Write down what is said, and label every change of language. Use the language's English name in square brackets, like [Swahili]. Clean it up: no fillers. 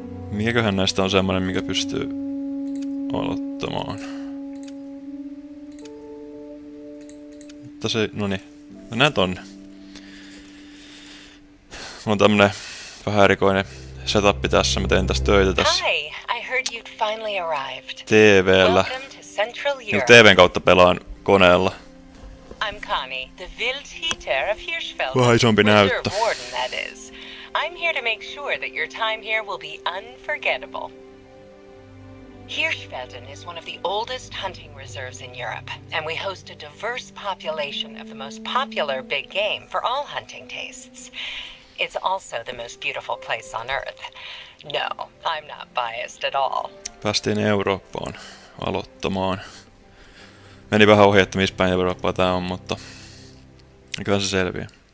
[Finnish] Mikäköhän näistä on semmonen, mikä pystyy aloittamaan? Mutta se, no niin, mennään tonne. Mulla on tämmönen vähän erikoinen setup tässä, mä tein tässä töitä tässä. [English] Hi, I heard you'd finally arrived. [Finnish] TV:llä. Niin TV:n kautta pelaan koneella. [English] I'm Connie, the wild heater of Hirschfeld. [Finnish] Vähän isompi näyttö. [English] I'm here to make sure that your time here will be unforgettable. Hirschfelden is one of the oldest hunting reserves in Europe, and we host a diverse population of the most popular big game for all hunting tastes. It's also the most beautiful place on Earth. No, I'm not biased at all. [Finnish] Päästiin Eurooppaan aloittamaan. Meni vähän ohi, että missä päin Eurooppaa tää on, mutta kyllä se selviää.